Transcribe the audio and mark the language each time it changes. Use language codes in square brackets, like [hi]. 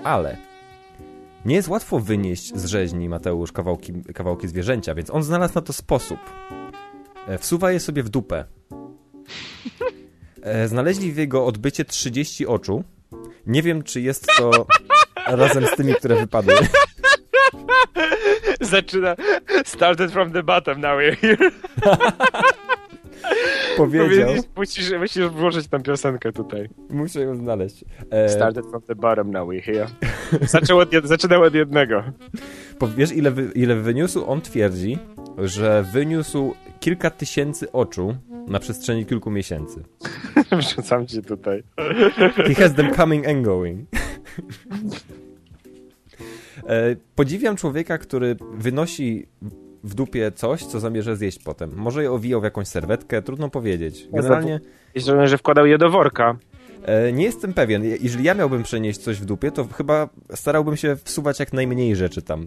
[pl] Ale nie jest łatwo wynieść z rzeźni, Mateusz, kawałki zwierzęcia, więc on znalazł na to sposób. Wsuwa je sobie w dupę. Znaleźli w jego odbycie 30 oczu. Nie wiem, czy jest to razem z tymi, które wypadły. Zaczyna. [en] Started from the bottom, now we're here. [pl] Powiedział. Musisz włożyć tam piosenkę tutaj. Muszę ją znaleźć. [en] Started from the bottom, now we're here. [pl] Zaczynał od jednego. Wiesz, ile wyniósł? On twierdzi, że wyniósł kilka tysięcy oczu na przestrzeni kilku miesięcy. Wrzucam ci tutaj. [en] He has them coming and going. [pl] Podziwiam człowieka, który wynosi w dupie coś, co zamierza zjeść potem. Może je owijał w jakąś serwetkę, trudno powiedzieć. Generalnie. Myślę, że wkładał je do worka. Nie jestem pewien. Jeżeli ja miałbym przenieść coś w dupie, to chyba starałbym się wsuwać jak najmniej rzeczy tam.